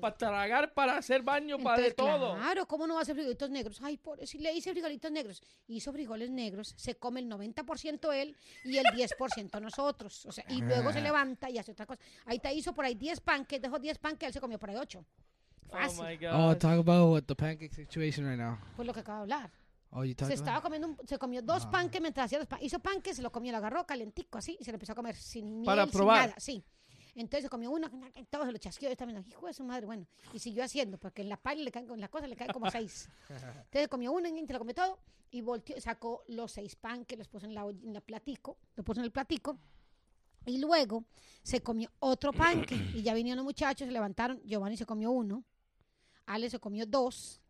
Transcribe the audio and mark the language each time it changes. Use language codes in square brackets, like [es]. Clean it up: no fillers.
[es] Para tragar, para hacer baño, entonces, para de todo. Claro, ¿cómo no va a hacer frijolitos negros? Ay, pobre, si le hice frijolitos negros. Hizo frijoles negros, se come el 90% él y el 10% nosotros. O sea, y luego se levanta y hace otra cosa. Ahí te hizo por ahí 10 panques, dejó 10 panques, él se comió por ahí 8. Fácil. [en] Oh, talk about what the pancake situation right now. [es] Pues lo que acabo de hablar. [en] Oh, you talk [es] se estaba comiendo, se comió dos panques mientras hacía dos panques. Hizo panques, se lo comió, lo agarró calentico así y se lo empezó a comer sin miel, para probar. Sin nada. Sí. Entonces se comió uno, todo se lo chasqueó, yo estaba viendo, hijo de su madre, bueno. Y siguió haciendo, porque en la pala le caen, con las cosas le caen como 6. Entonces se comió uno, se lo comió todo, y volteó, sacó los 6 pan que los puso en la platico, lo puso en el platico, y luego se comió otro pan que, y ya vinieron los muchachos, se levantaron, Giovanni se comió uno, Ale se comió 2,